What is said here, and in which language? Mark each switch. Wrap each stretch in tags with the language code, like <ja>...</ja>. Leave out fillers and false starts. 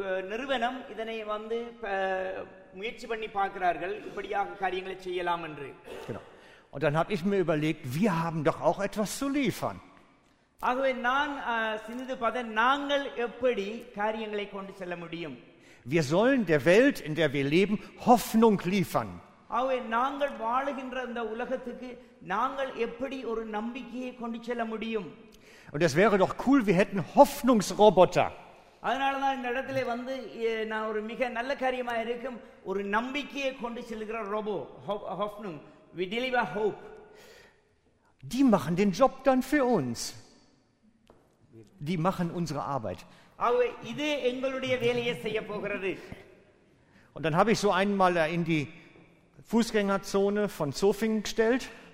<ta>நிறுவனம் இதனை வந்து முயற்சி பண்ணி பார்க்கிறார்கள் இப்படியாக காரியங்களை செய்யலாம் என்று.</ta> <de>Und dann habe ich mir überlegt, wir haben doch auch etwas zu liefern.</de> <ta>ஆகவே நான் சிந்தித்து பார்த்தேன், நாங்கள் எப்படி காரியங்களை கொண்டு செல்ல முடியும்.</ta> <de>Wir sollen der Welt, in der wir leben, Hoffnung liefern.</de> <ta>ஆகவே நாங்கள் வாழுகின்ற இந்த உலகத்துக்கு நாங்கள் எப்படி ஒரு நம்பிக்கையை கொண்டு செல்ல முடியும்.</ta> <de>Und es wäre doch cool, wir hätten Hoffnungsroboter.</de> <ta>அதனால தான் இந்த இடத்துல வந்து நான் ஒரு மிக நல்ல காரியமாக இருக்கும் ஒரு நம்பிக்கையை கொண்டு செல்கிற robot ஹோப்னும்.</ta> <en>We deliver hope.</en> <de>Die machen den Job dann für uns. Die machen unsere Arbeit. Und dann habe ich so einen mal in die Fußgängerzone von Zofingen gestellt.</de>